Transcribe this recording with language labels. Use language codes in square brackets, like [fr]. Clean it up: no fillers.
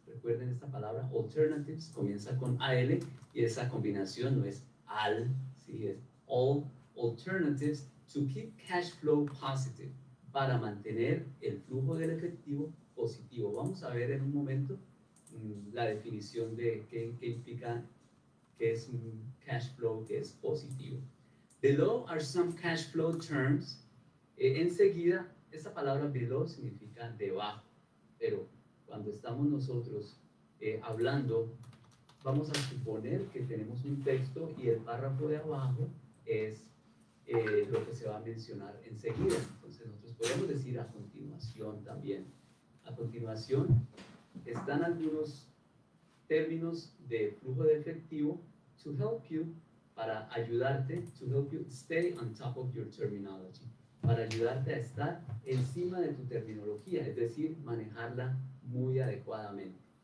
[es] Recuerden esta palabra, alternatives, comienza con AL y esa combinación no es AL, sí, es [en] all alternatives to keep cash flow positive, [es] para mantener el flujo del efectivo positivo. Vamos a ver en un momento la definición de qué implica, qué es un cash flow que es positivo. [en] Below are some cash flow terms. [es] Enseguida, esta palabra below significa debajo. Pero cuando estamos nosotros hablando, vamos a suponer que tenemos un texto y el párrafo de abajo es lo que se va a mencionar enseguida. Entonces nosotros podemos decir a continuación también. A continuación están algunos términos de flujo de efectivo [en] to help you, [es] para ayudarte, [en] to help you stay on top of your terminology, [es] para ayudarte a estar encima de tu terminología, es decir, manejarla muy adecuadamente.